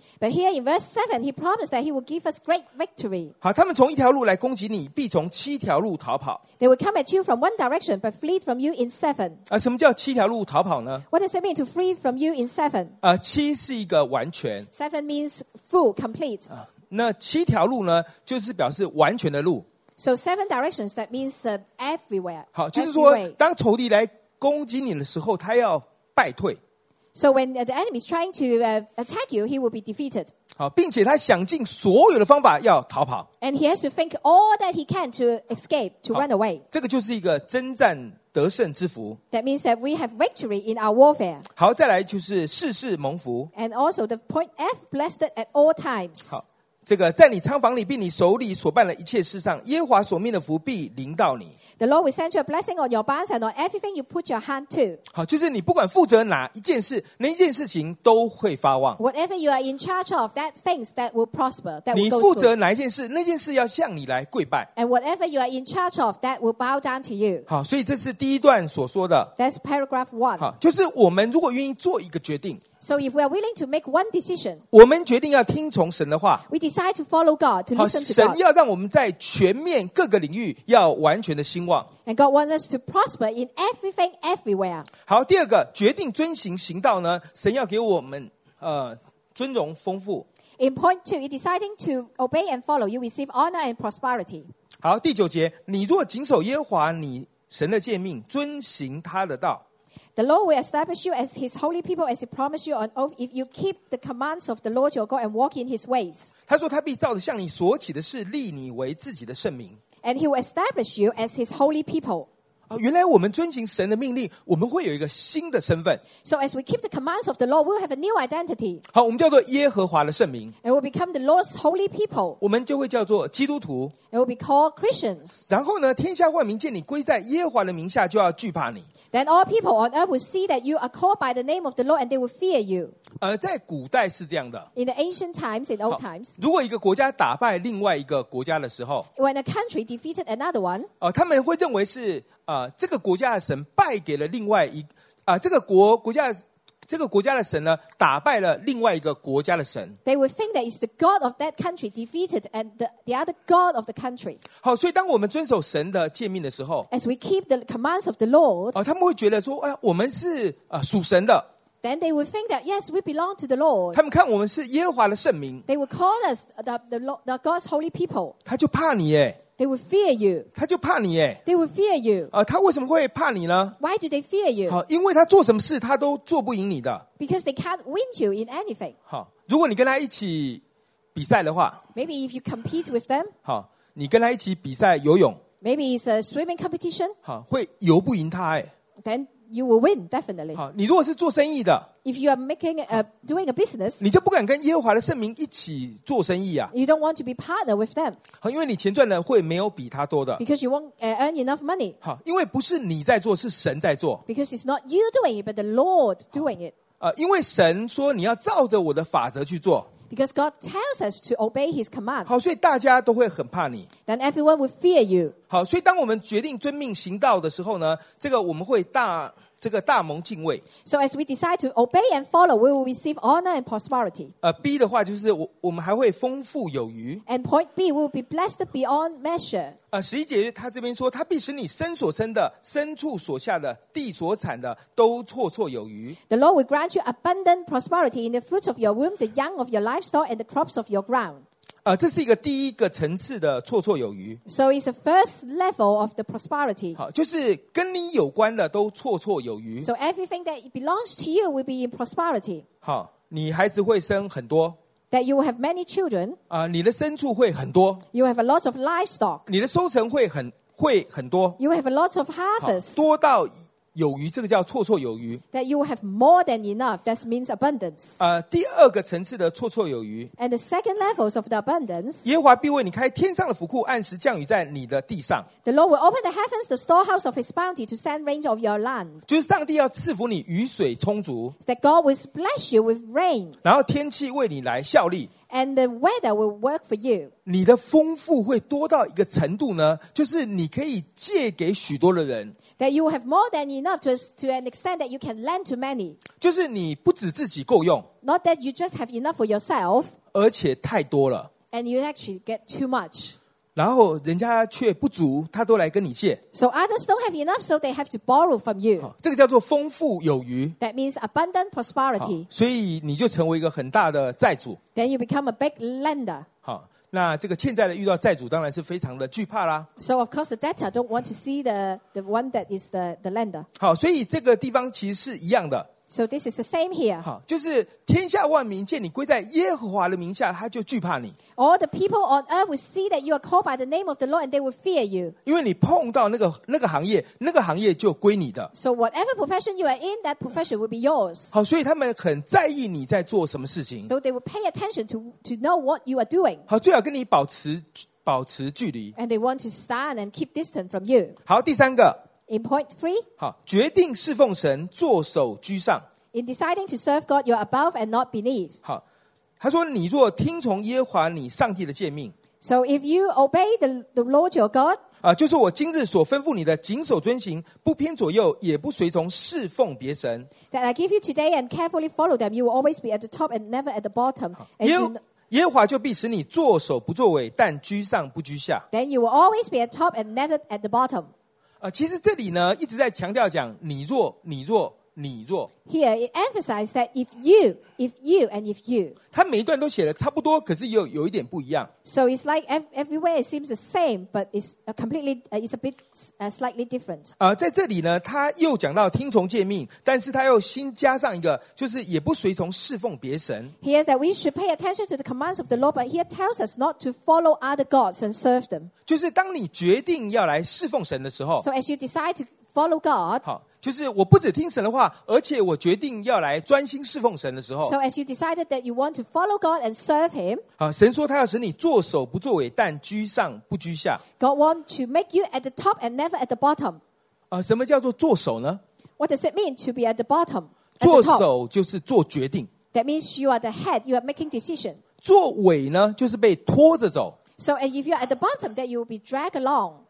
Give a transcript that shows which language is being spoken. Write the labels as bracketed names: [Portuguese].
[English] But here in verse 7, he promised that he will give us great victory. [Chinese] 好，他们从一条路来攻击你，必从七条路逃跑。 [English] They will come at you from one direction, but flee from you in seven. [Chinese] 什么叫七条路逃跑呢？ [English] What does it mean to flee from you in seven? [Chinese] 七是一个完全。 [English] Seven means full, complete. [Chinese] 那七条路呢，就是表示完全的路。 [English] So seven directions, that means everywhere. [Chinese] 好，就是说，当仇敌来攻击你的时候，他要败退。 [English] So when the enemy is trying to attack you, he will be defeated. [Chinese] 好，并且他想尽所有的方法要逃跑。 [English] And he has to think all that he can to escape, to run away. [Chinese] 这个就是一个征战得胜之福。 [English] That means that we have victory in our warfare. [Chinese] 好，再来就是事事蒙福。 [English] And also the point F, blessed at all times. [Chinese] 好，这个在你仓房里，并你手里所办的一切事上，耶和华所命的福必临到你。 [English] The Lord will send you a blessing on your barns and on everything you put your hand to. [Chinese] 好，就是你不管负责哪一件事，那一件事情都会发旺。 [English] Whatever you are in charge of, that things that will prosper, that will go [Chinese] through. 你负责哪一件事，那件事要向你来跪拜。 [English] And whatever you are in charge of, that will bow down to you. [Chinese] 好，所以这是第一段所说的。 [English] That's paragraph one. [Chinese] 好，就是我们如果愿意做一个决定。 [English] So if we are willing to make one decision, [Chinese] 我们决定要听从神的话。 [English] We decide to follow God, to listen to God. [Chinese] 神要让我们在全面各个领域要完全的兴旺。 [English] And God wants us to prosper in everything, everywhere. [Chinese] 好，第二个，决定遵行行道呢，神要给我们尊荣丰富。 [English] In point two, in deciding to obey and follow, you receive honor and prosperity. [Chinese] 好，第九节，你若谨守耶和华你神的诫命，遵行他的道。 [English] The Lord will establish you as His holy people as He promised you on oath if you keep the commands of the Lord your God and walk in His ways. [Chinese] 他说他必照着向你所起的事立你为自己的圣名。 [English] And He will establish you as His holy people. [Chinese] 原来我们遵行神的命令，我们会有一个新的身份。 [English] So as we keep the commands of the Lord, we'll have a new identity. [Chinese] 好，我们叫做耶和华的圣名。 [English] And we'll become the Lord's holy people. [Chinese] 我们就会叫做基督徒。 [English] And we'll be called Christians. [Chinese] 然后呢，天下万民见你归在耶和华的名下，就要惧怕你。 [English] Then all people on earth will see that you are called by the name of the Lord and they will fear you. [Chinese] 在古代是这样的。 [English] In the ancient times, in old times. [Chinese] 如果一个国家打败另外一个国家的时候。 [English] When a country defeated another one. [Chinese] 他们会认为是这个国家的神败给了另外一这个国家的神呢打败了另外一个国家的神。 [English] They will think that it's the God of that country defeated and the other God of the country. [Chinese] 好，所以当我们遵守神的诫命的时候。 [English] As we keep the commands of the Lord. [Chinese] 他们会觉得说我们是属神的。 [English] Then they will think that yes, we belong to the Lord. [Chinese] 他们看我们是耶和华的圣名。 [English] They will call us the God's holy people. [Chinese] 他就怕你耶。 [English] They will fear you. [Chinese] 他就怕你耶。 [English] They will fear you. [Chinese] 他为什么会怕你呢？ [English] Why do they fear you? [Chinese] 好，因为他做什么事他都做不赢你的。 [English] Because they can't win you in anything. [Chinese] 好，如果你跟他一起比赛的话。 [English] Maybe if you compete with them. [Chinese] 好，你跟他一起比赛游泳。 [English] Maybe it's a swimming competition. [Chinese] 好，会游不赢他耶。 [English] Then you will win, definitely. [Chinese] 好，你如果是做生意的。 [English] If you are making doing a business, [Chinese] 你就不敢跟耶和华的圣名一起做生意啊。 [English] You don't want to be partner with them. [Chinese] 好，因为你钱赚的会没有比他多的。 [English] Because you won't earn enough money. [Chinese] 好，因为不是你在做，是神在做。 [English] Because it's not you doing it, but the Lord doing it. [Chinese] 因为神说你要照着我的法则去做。 [English] Because God tells us to obey His command. [Chinese] 好，所以大家都会很怕你。 [English] Then everyone will fear you. [Chinese] 好，所以当我们决定遵命行道的时候呢，这个我们会大。这个大蒙敬畏。 [English] So as we decide to obey and follow, we will receive honor and prosperity. [Chinese] B 的话就是我们还会丰富有余。 [English] And point B, will be blessed beyond measure. [Chinese] 十一节他这边说，他必使你身所生的、牲畜所下的、地所产的都绰绰有余。 [English] The Lord will grant you abundant prosperity in the fruits of your womb, the young of your livestock, and the crops of your ground. [Chinese] 这是一个第一个层次的绰绰有余。 [English] So it's the first level of the prosperity. [Chinese] 好，就是跟你有关的都绰绰有余。 [English] So everything that belongs to you will be in prosperity. [Chinese] 好，你孩子会生很多。 [English] That you will have many children. [Chinese] 你的牲畜会很多。 [English] You have a lot of livestock. [Chinese] 你的收成会很多。 [English] You have a lot of harvest. [Chinese] 多到有余，这个叫绰绰有余。 [English] That you will have more than enough, that means abundance. [Chinese] 第二个层次的绰绰有余。 [English] And the second levels of the abundance. [Chinese] 耶和华必为你开天上的府库，按时降雨在你的地上。 [English] The Lord will open the heavens, the storehouse of His bounty, to send rain of your land. [Chinese] 就是上帝要赐福你，雨水充足。 [English] That God will bless you with rain. [Chinese] 然后天气为你来效力。 [English] And the weather will work for you. [Chinese] 你的丰富会多到一个程度呢，就是你可以借给许多的人。 [English] That you have more than enough to an extent that you can lend to many. [Chinese] 就是你不止自己够用。 [English] Not that you just have enough for yourself. [Chinese] 而且太多了。 [English] And you actually get too much. [Chinese] 然后人家却不足，他都来跟你借。 [English] So others don't have enough, so they have to borrow from you. [Chinese] 这个叫做丰富有余。 [English] That means abundant prosperity. [Chinese] 所以你就成为一个很大的债主。 [English] Then you become a big lender. [Chinese] 好，那这个欠债的遇到债主当然是非常的惧怕啦。 [English] So of course the debtor don't want to see the one that is the lender. [Chinese] 好，所以这个地方其实是一样的。 [English] So this is the same here. [Chinese] 好，就是天下万民见你归在耶和华的名下，他就惧怕你。 [English] All the people on earth will see that you are called by the name of the Lord, and they will fear you. [Chinese] 因为你碰到那个行业，那个行业就归你的。 [English] So whatever profession you are in, that profession will be yours. [Chinese] 好，所以他们很在意你在做什么事情。 [English] So they will pay attention to know what you are doing. [Chinese] 好，最好跟你保持保持距离。 [English] And they want to stand and keep distance from you. [Chinese] 好，第三个。 [English] In point three. [Chinese] 好，决定侍奉神，坐守居上。 [English] In deciding to serve God, you're above and not beneath. [Chinese] 好，他说你若听从耶和华你上帝的诫命。 [English] So if you obey the Lord your God. [Chinese] 啊，就是我今日所吩咐你的，谨守遵行，不偏左右，也不随从侍奉别神。 [English] That I give you today and carefully follow them, you will always be at the top and never at the bottom. [Chinese] 耶和华就必使你坐首不坐尾，但居上不居下。 [English] Then you will always be at top and never at the bottom. [Chinese] 其实这里呢一直在强调讲你若你若你若。 [English] Here it emphasizes that if you and if you. [Chinese] 他每一段都写的差不多，可是又有一点不一样。 [English] So it's like everywhere it seems the same, but it's completely it's a bit slightly different. [Chinese] 在这里呢，他又讲到听从诫命，但是他又新加上一个，就是也不随从侍奉别神。 [English] Here that we should pay attention to the commands of the Lord, but here tells us not to follow other gods and serve them. [Chinese] 就是当你决定要来侍奉神的时候。 [English] So as you decide to follow God. [Chinese] 好，就是我不只听神的话，而且我决定要来专心侍奉神的时候。 [English] So as you decided that you want to follow God and serve Him. [Chinese] 啊，神说他要使你坐首不坐尾，但居上不居下。 [English] God wants to make you at the top and never at the bottom. [Chinese] 啊，什么叫做坐首呢 [English] ？What does it mean to be at the bottom? [Chinese] 坐首就是做决定。 [English] That means you are the head. You are making decision. [Chinese] 坐尾呢，就是被拖着走。 [English] So if you are at the bottom, then you will be dragged along.